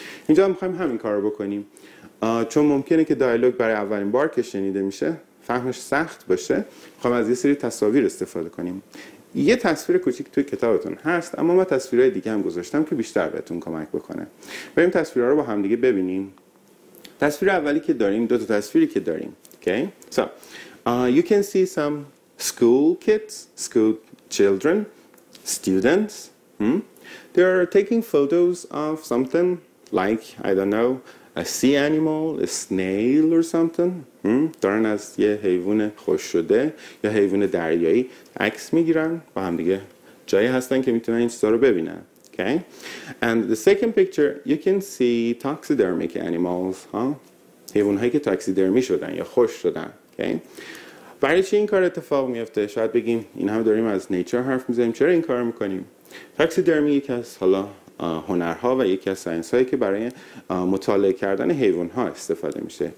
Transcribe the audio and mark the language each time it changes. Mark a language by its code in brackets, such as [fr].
[fa] اینجا هم می‌خوایم همین کار رو بکنیم. چون ممکنه که دیالوگ برای اولین بار که شنیده میشه فهمش سخت باشه، می‌خوام از یه سری تصاویر استفاده کنیم. یه تصویر کوچیک توی کتابتون هست، اما من تصویرهای دیگه هم گذاشتم که بیشتر بهتون کمک بکنه. بریم تصویرها رو با هم دیگه ببینیم. تصویر اولی که داریم، دو تا تصویری که داریم. [en] Okay? So, you can see some school kids, school children, students. They are taking photos of something like, I don't know, a sea animal, a snail or something. [fa] دارن از یه حیوان خوش شده یا حیوان دریایی عکس میگیرن. با هم دیگه جایی هستن که میتونن این چیزها رو ببینن. [en] Okay? And the second picture, you can see taxidermic animals. [fa] حیوانهایی که تاکسیدرمی شدن یا خوش شدن. [en] Okay? [fa] برای چی این کار اتفاق میفته؟ شاید بگیم این همه داریم از نیچر حرف میزنیم، چرا این کار میکنیم؟ تاکسیدرمی یکی از حالا هنرها و یکی از ساینس‌هایی که برای مطالعه کردن حیوان‌ها استفاده میشه.